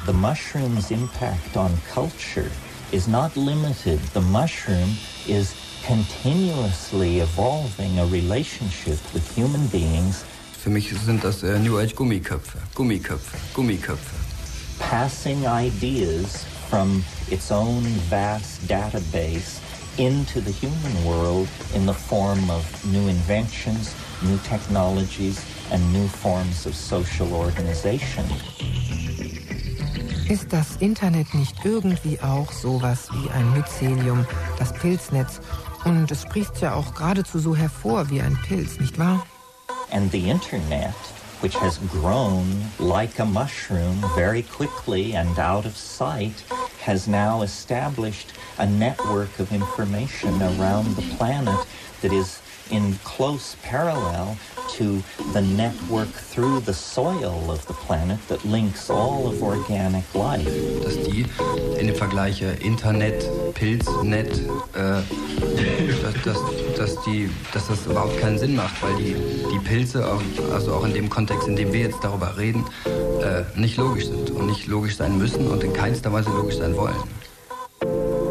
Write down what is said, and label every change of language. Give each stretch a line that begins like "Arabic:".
English: The mushroom's impact on culture is not limited. The mushroom is continuously evolving a relationship with human beings.
German: Für mich sind das New Age Gummiköpfe, Gummiköpfe, Gummiköpfe.
English: Passing ideas from its own vast database into the human world in the form of new inventions, new technologies and new forms of social organization.
German: Ist das Internet nicht irgendwie auch sowas wie ein Mycelium, das Pilznetz? Und es spricht ja auch geradezu so hervor wie ein Pilz, nicht wahr?
English: And the internet, which has grown like a mushroom very quickly and out of sight, has now established a network of information around the planet that is in close parallel to the network through the soil of the planet that links all of organic life.
German: Dass die in dem Vergleich Internet, Pilznet, dass das überhaupt keinen Sinn macht, weil die Pilze, auch in dem Kontext, in dem wir jetzt darüber reden, nicht logisch sind und nicht logisch sein müssen und in keinster Weise logisch sein wollen.